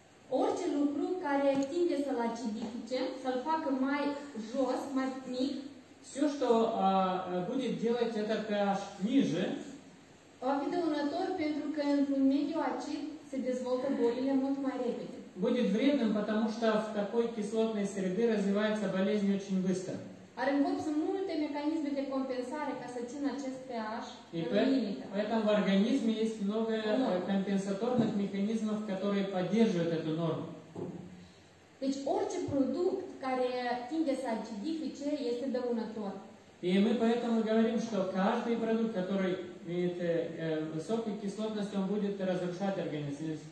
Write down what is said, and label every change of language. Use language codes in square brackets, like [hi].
[ro] Orice lucru care tinde să-l acidifice, să-l facă mai jos, mai mic. [ru] Все, что будет делать этот pH ниже, [ro] va fi dăunător pentru că într-un mediu acid se dezvoltă bolile mult mai repede. [ru] Будет вредным, потому что в такой кислотной среде развивается болезнь очень быстро. [ro] Are în corp sunt multe mecanisme de compensare ca să țină acest pH în limită. [ru] Поэтому в организме есть много компенсаторных механизмов, которые поддерживают эту норму. [ro] Deci orice produs care tinde să acidifice este dăunător. [ru] И мы поэтому говорим, что каждый продукт, который имеет высокую кислотность, он будет разрушать организм,